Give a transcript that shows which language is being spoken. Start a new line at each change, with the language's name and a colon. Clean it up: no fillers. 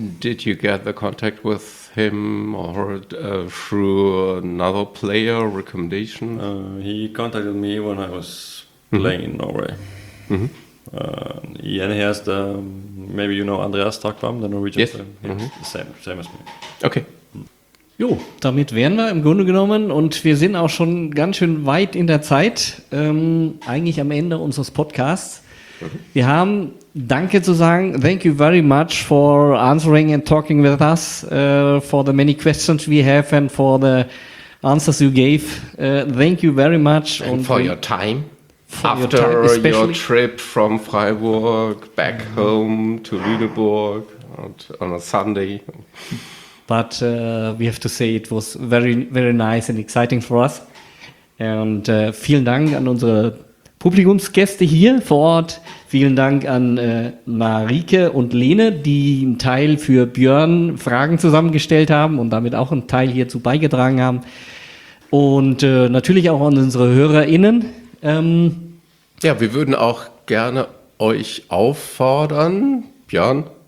English: Did you get the contact with him or through another player recommendation? He contacted me when I was, mm-hmm. playing in Norway. Mm-hmm. And he has the, maybe you know Andreas Takvam, the Norwegian, yes. player. Mm-hmm. Same as me. Okay.
German: Jo, damit wären wir im Grunde genommen und wir sind auch schon ganz schön weit in der Zeit, eigentlich am Ende unseres Podcasts. Wir haben Danke zu sagen.
English: Thank you very much for answering and talking with us, for the many questions we have and for the answers you gave. Thank you very much. And for your time. After your trip from Freiburg back home to Lüneburg on a Sunday. But we have to say it was very, very nice and exciting for us.
German: And vielen Dank an unsere Publikumsgäste hier vor Ort. Vielen Dank an Marike und Lene, die einen Teil für Björn Fragen zusammengestellt haben und damit auch einen Teil hierzu beigetragen haben. Und natürlich auch an unsere HörerInnen. Ja, wir würden auch gerne euch auffordern, Björn.